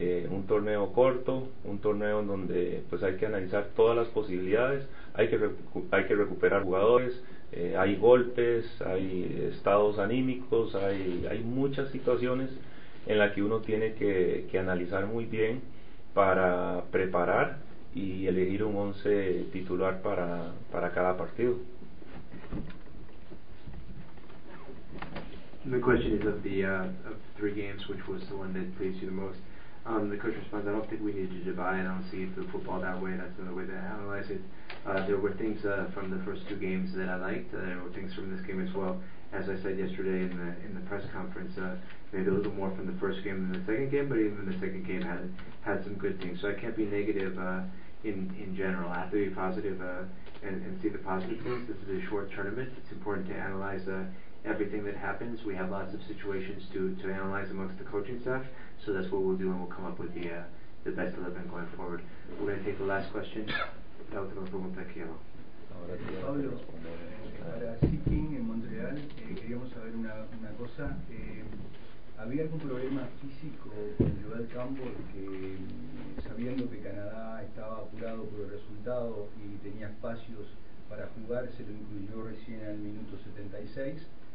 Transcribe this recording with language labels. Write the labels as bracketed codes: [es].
[es] Un torneo corto, un torneo en donde pues hay que analizar todas las posibilidades, hay que recuperar jugadores, hay golpes, hay estados anímicos, hay muchas situaciones en las que uno tiene que analizar muy bien para preparar y elegir un 11 titular para cada partido. [en] The question is of the three games, which was the one that pleased you the most. The coach responds, I don't think we need to divide. I don't see the football that way. That's the way to analyze it. There were things from the first two games that I liked. There were things from this game as well. As I said yesterday in the press conference, maybe a little more from the first game than the second game, but even the second game had some good things. So I can't be negative in general. I have to be positive and see the positive things. This is a short tournament. It's important to analyze everything that happens. We have lots of situations to analyze amongst the coaching staff. So that's what we'll do, and we'll come up with the best 11 going forward. We're going to take the last question. [es] La última pregunta aquí, Pablo, para Seeking en Montreal, queríamos saber una cosa. ¿Había algún problema físico cuando llegó al campo? Porque sabiendo que Canadá estaba apurado por el resultado y tenía espacios para jugar, se lo incluyó recién al minuto 76.